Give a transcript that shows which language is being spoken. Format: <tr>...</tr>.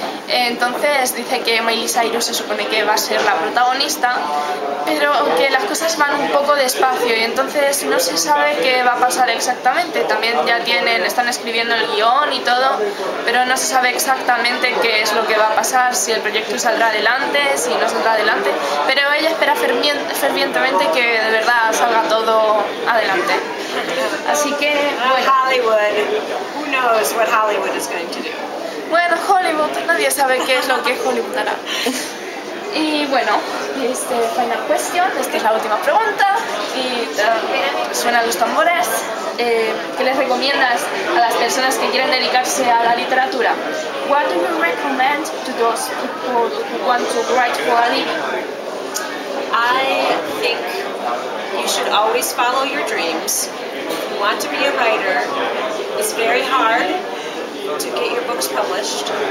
<es>Entonces dice que Miley Cyrus se supone que va a ser la protagonista, pero que las cosas van un poco despacio y entonces no se sabe qué va a pasar exactamente. También ya tienen, están escribiendo el guión y todo, pero no se sabe exactamente qué es lo que va a pasar, si el proyecto saldrá adelante, si no saldrá adelante, pero ella espera fervientemente que de verdad salga todo adelante. Así que, bueno.</es> <en>Hollywood, who knows what Hollywood is going to do.</en> <es>Bueno, Hollywood, nadie sabe qué es lo que Hollywood hará. Y bueno,</es> <en>final question,</en> <es>esta es la última pregunta, y suenan los tambores. ¿Qué les recomiendas a las personas que quieren dedicarse a la literatura?</es> <en>What do you recommend to those people who want to write for a living? I think you should always follow your dreams. If you want to be a writer, it's very hard to get your books published.</en>